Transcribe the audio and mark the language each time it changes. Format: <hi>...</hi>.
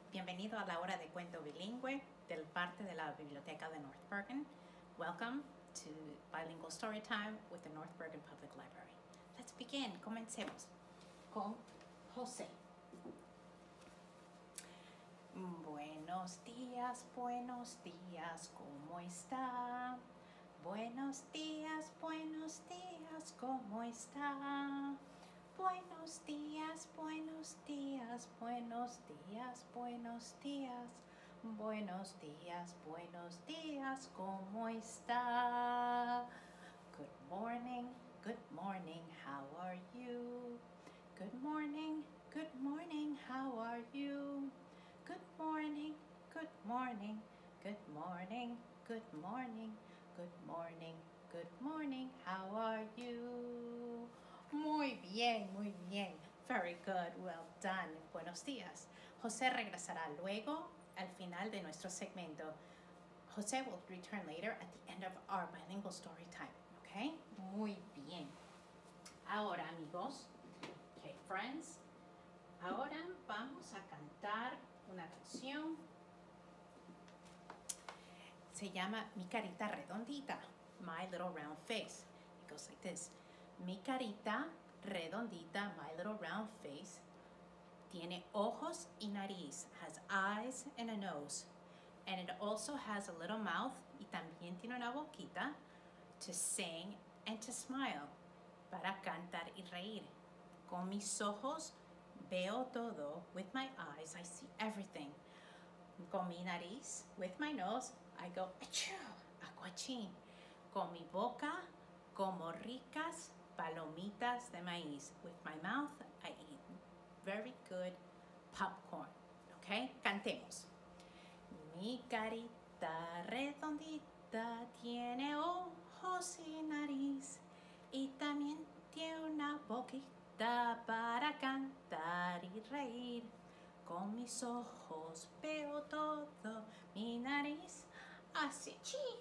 <es>Bienvenido a la hora de cuento bilingüe del parte de la Biblioteca de North Bergen.</es> <en>Welcome to Bilingual Storytime with the North Bergen Public Library. Let's begin.</en> <es>Comencemos con José.</es> <en>Buenos días, buenos días. ¿Cómo está? Buenos días, buenos días. ¿Cómo está? Buenos días, buenos días, buenos días, buenos días, buenos días, ¿cómo está? Good morning, how are you? Good morning, how are you? Good morning, good morning, good morning, good morning, good morning, how are you?</en> <es>Muy bien,</es> <en>very good, well done,</en> <es>buenos días. José regresará luego al final de nuestro segmento.</es> <en>José will return later at the end of our bilingual story time, okay?</en> <es>Muy bien. Ahora, amigos,</es> <en>okay, friends,</en> <es>ahora vamos a cantar una canción. Se llama Mi Carita Redondita,</es> <en>My Little Round Face. It goes like this.</en> <es>Mi carita redondita,</es> <en>my little round face,</en> <es>tiene ojos y nariz,</es> <en>has eyes and a nose. And it also has a little mouth,</en> <es>y también tiene una boquita,</es> <en>to sing and to smile,</en> <es>para cantar y reír. Con mis ojos veo todo,</es> <en>with my eyes I see everything.</en> <es>Con mi nariz,</es> <en>with my nose, I go achoo, aquachín.</en> <es>Con mi boca, como ricas palomitas de maíz.</es> <en>With my mouth, I eat very good popcorn.</en> <es>Okay, cantemos. Mi carita redondita tiene ojos y nariz, y también tiene una boquita para cantar y reír. Con mis ojos veo todo, mi nariz así chi.</es>